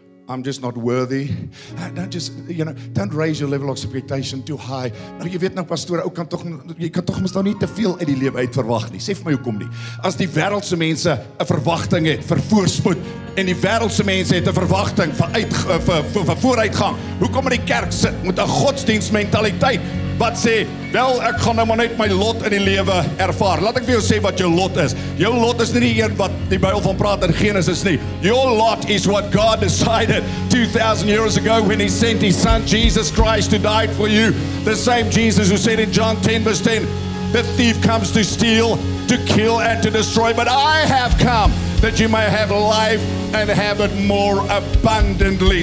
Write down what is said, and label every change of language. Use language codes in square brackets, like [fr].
[en] I'm just not worthy. Don't raise your level of expectation too high. [af] Nou jy weet nou pastoor, ou kan tog jy kan tog mos nou nie te veel uit die lewe uit verwag nie. Sê vir my hoekom nie? As die wêreldse mense 'n verwagting het vir voorspoed en die wêreldse mense het 'n verwagting vir vooruitgang. Hoekom moet die kerk sit met 'n godsdienstmentaliteit wat sê, "Wel, ek gaan nou maar net my lot in die lewe ervaar." Laat ek vir jou sê wat jou lot is. Jou lot is nie die een wat die Bybel van praat in Genesis nie. [en] Your lot is what God decided 2,000 years ago when he sent his son Jesus Christ to die for you. The same Jesus who said in John 10 verse 10, the thief comes to steal, to kill and to destroy, but I have come that you may have life and have it more abundantly.